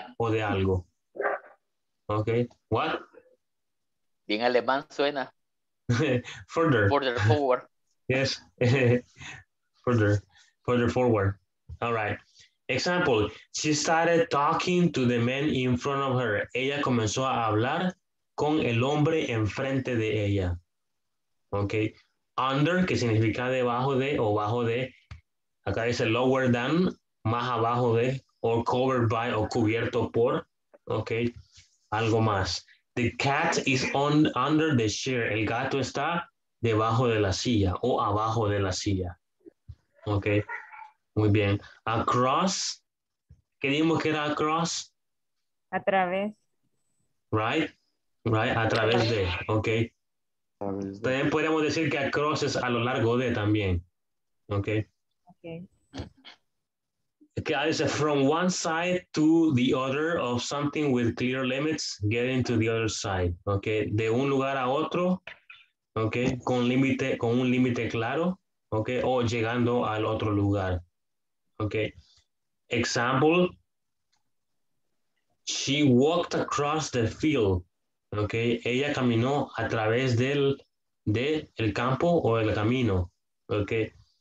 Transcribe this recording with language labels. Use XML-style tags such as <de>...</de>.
<es>O de algo. Okay, what? En alemán suena.</es> <en>Further. Further forward. Yes. Further forward. All right. Example. She started talking to the man in front of her.</en> <es>Ella comenzó a hablar con el hombre enfrente de ella. Okay. Under, que significa debajo de o bajo de. Acá dice</es> <en>lower than,</en> <es>más abajo de,</es> <en>or covered by,</en> <es>o cubierto por. Okay. Algo más.</es> <en>The cat is on under the chair.</en> <es>El gato está debajo de la silla o abajo de la silla. Ok, muy bien. Across, ¿qué dijimos que era across? A través.</es> <en>Right, right,</en> <es>a través de, ok. También podríamos decir que across es a lo largo de también, ok. Ok.</es> <en>Okay, it's from one side to the other of something with clear limits, getting to the other side, ok.</en> <es>De un lugar a otro, ok, con un límite claro. Okay, o llegando al otro lugar. Okay. Example.</es> <en>She walked across the field. Okay.</en> <es>Ella caminó a través del campo o el camino. Okay.</es>